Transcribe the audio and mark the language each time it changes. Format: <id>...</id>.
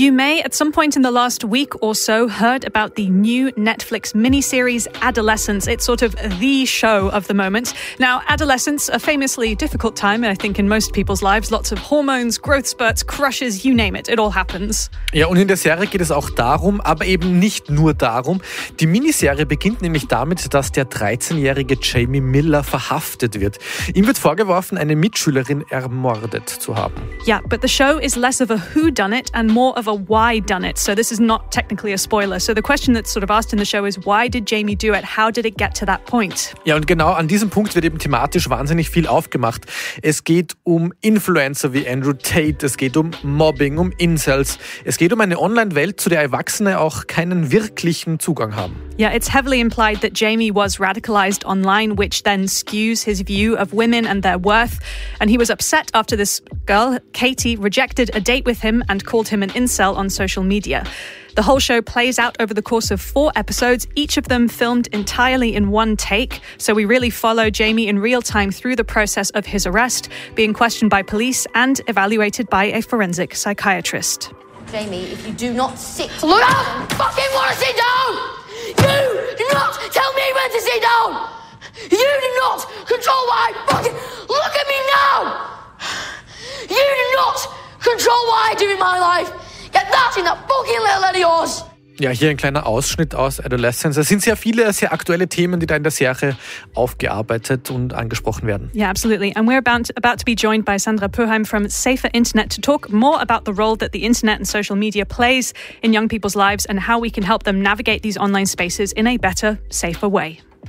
<en>You may, at some point in the last week or so, heard about the new Netflix miniseries Adolescence. It's sort of the show of the moment. Now, adolescence, a famously difficult time, I think, in most people's lives. Lots of hormones, growth spurts, crushes, you name it. It all happens.</en> <de>Ja, und in der Serie geht es auch darum, aber eben nicht nur darum. Die Miniserie beginnt nämlich damit, dass der 13-jährige Jamie Miller verhaftet wird. Ihm wird vorgeworfen, eine Mitschülerin ermordet zu haben.</de> <en>Yeah, but the show is less of a who done it and more of a why done it. So this is not technically a spoiler. So the question that's sort of asked in the show is, why did Jamie do it? How did it get to that point?</en> <de>Ja, und genau an diesem Punkt wird eben thematisch wahnsinnig viel aufgemacht. Es geht um Influencer wie Andrew Tate, es geht um Mobbing, um Incels. Es geht um eine Online-Welt, zu der Erwachsene auch keinen wirklichen Zugang haben.</de> <en>Yeah, it's heavily implied that Jamie was radicalized online, which then skews his view of women and their worth. And he was upset after this girl, Katie, rejected a date with him and called him an incel on social media. The whole show plays out over the course of 4 episodes, each of them filmed entirely in one take. So we really follow Jamie in real time through the process of his arrest, being questioned by police and evaluated by a forensic psychiatrist. Jamie, if you do not sit... Look, I fucking want to sit down! You do not tell me when to sit down! You do not control what I fucking... Look at me now! You do not control what I do in my life! Get that in that fucking little head of yours!</en> <de>Ja, hier ein kleiner Ausschnitt aus Adolescence. Es sind sehr viele, sehr aktuelle Themen, die da in der Serie aufgearbeitet und angesprochen werden.</de> <en>Yeah, absolutely. And we're about to be joined by Sandra Pöheim from Safer Internet to talk more about the role that the internet and social media plays in young people's lives and how we can help them navigate these online spaces in a better, safer way.</en>